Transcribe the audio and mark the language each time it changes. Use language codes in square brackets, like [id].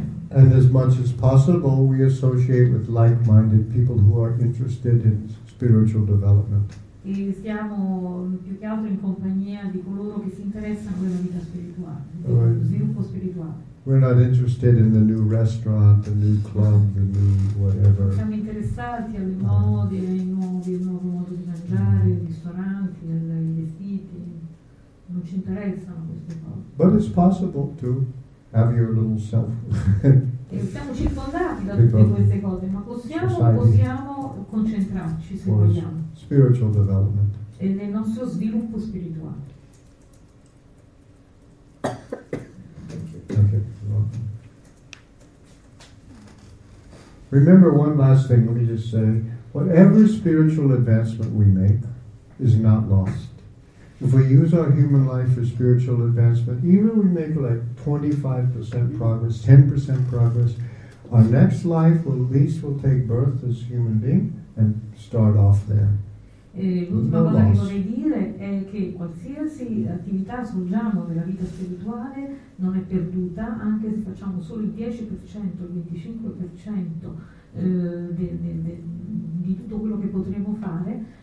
[en] and as much as possible, we associate with like-minded people who are interested in spiritual development. [it] E siamo più che altro in compagnia di coloro che si interessano della vita spirituale, del sviluppo spirituale. [en] We're not interested in the new restaurant, the new club, the new whatever. [it] Siamo interessati alle mode, ai nuovi, al nuovo modo di mangiare, ai ristoranti, ai vestiti. Non ci interessano queste cose. [en] But it's possible to have your little self. [it] E siamo circondati da tutte queste cose, ma possiamo concentrarci se vogliamo. [en] Spiritual development. [it] E nel nostro sviluppo spirituale. [en] Okay. Remember one last thing. Let me just say, whatever spiritual advancement we make is not lost. If we use our human life for spiritual advancement, even if we make like 25% progress, 10% progress, our next life will at least we'll take birth as human being and start off there. [it] L'ultima cosa che vorrei dire è che qualsiasi attività svolgiamo nella vita spirituale non è perduta, anche se facciamo solo il 10%, il 25% di tutto quello che potremo fare.